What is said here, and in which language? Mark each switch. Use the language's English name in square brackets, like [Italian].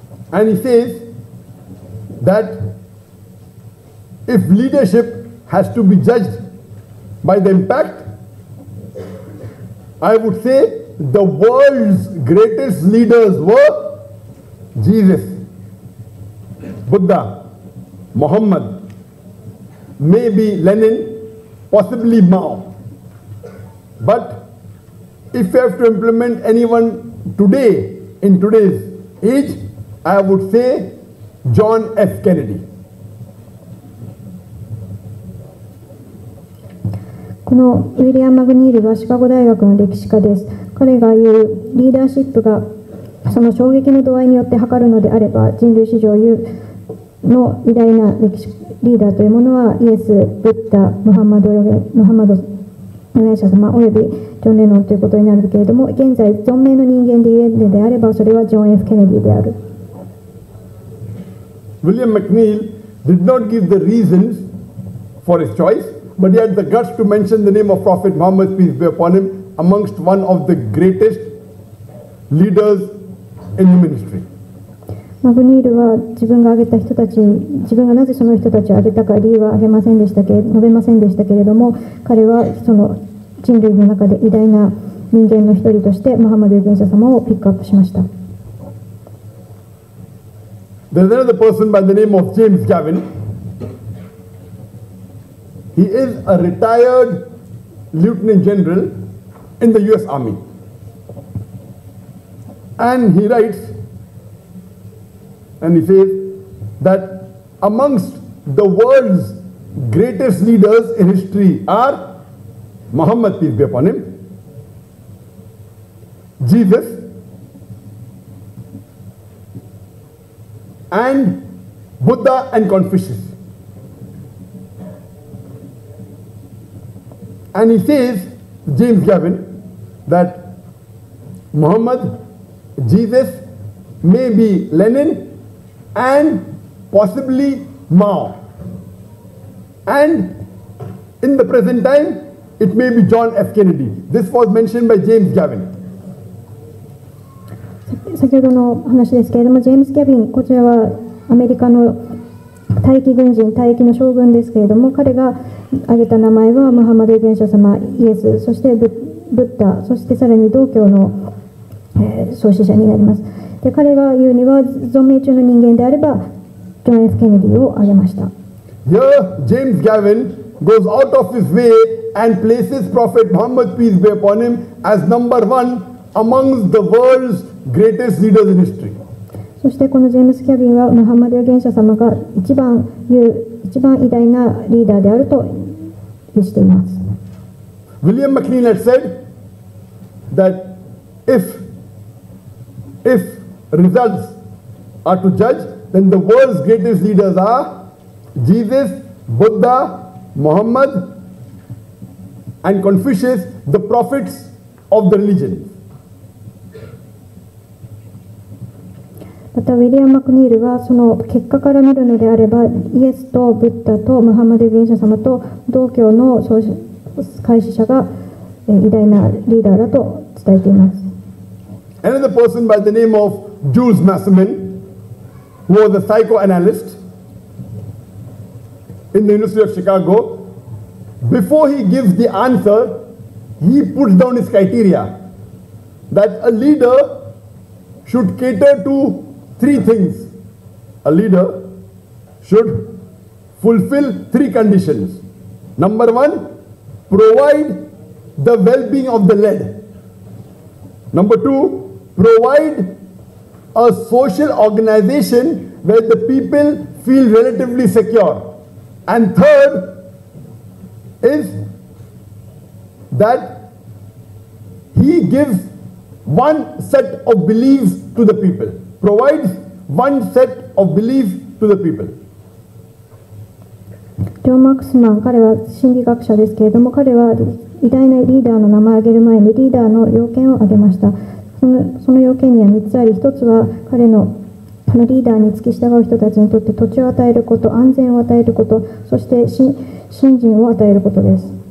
[English] And he says that if leadership has to be judged by the impact, I would say the world's greatest leaders were Jesus, Buddha, Muhammad, maybe Lenin, possibly Mao. But if you have to implement anyone today, in today's age, I would say John F. Kennedy. [Japanese] このウィリアム・マグニールはシカゴ大学の歴史家です。彼が言うリーダーシップがその衝撃の度合いによって測るのであれば、人類史上の偉大な歴史リーダーというものはイエス、ブッダ、ムハンマド預言者様およびジョン・レノンということになるけれども、現在存命の人間で言えるのであれば、それはジョン・F・ケネディである。 [English] ウィリアム・マグニール did not give the reasons for his choiceBut he had the guts to mention the name of Prophet Muhammad, peace be upon him, amongst one of the greatest leaders in the ministry. [Japanese] マグニールは自分が挙げた人たち、自分がなぜその人たちを挙げたか理由は述べませんでしたけれども、彼はその人類の中で偉大な人間の一人としてムハンマド預言者様をピックアップしました。 [English] There's another person by the name of James Gavin. He is a retired lieutenant general in the US Army. And he writes, and he says that amongst the world's greatest leaders in history are Muhammad, peace be upon him, Jesus, and Buddha and Confucius. And he says, James Gavin, that Muhammad, Jesus, maybe Lenin, and possibly Mao. And in the present time, it may be John F. Kennedy. This was mentioned by James Gavin. [Japanese] 先ほどの話ですけれども、ジェームス・ギャビン、こちらはアメリカの退役軍人、退役の将軍ですけれども、彼が挙げた名前はムハンマド預言者様、イエス、そして ブッダ、そしてさらに道教の、創始者になります。で、彼が言うには存命中の人間であればジョン・F・ケネディを挙げました。 [English] Here, James Gavin goes out of his way and places Prophet Muhammad, peace be upon him, as number one amongst the world's greatest leaders in history. [Japanese] そしてこのジェームス・キャビンはムハンマド預言者様が一番偉大なリーダーであると言っています。 [English] William McLean had said that if results are to judge, then the world's greatest leaders are Jesus, Buddha, Muhammad, and Confucius, the prophets of the religion. [Japanese] またウィリアム・マクニールはその結果から見るのであればイエスとブッダとムハンマド預言者様と同教の創始開始者が偉大なリーダーだと伝えています。 [English] Another person by the name of Jules Massaman, who was a psychoanalyst in the University of Chicago, before he gives the answer, he puts down his criteria that a leader should cater to three things. A leader should fulfill three conditions. Number one, provide the well-being of the led. Number two, provide a social organization where the people feel relatively secure. And third is that he gives one set of beliefs to the people. Provides one set of beliefs to the people. [Japanese] ジョン・マクスマン、彼は心理学者ですけれども、彼は偉大なリーダーの名前を挙げる前にリーダーの要件を挙げました。その要件には3つあり、1つは彼のリーダーに付き従う人たちにとって土地を与えること、安全を与えること、そして信心を与えることです。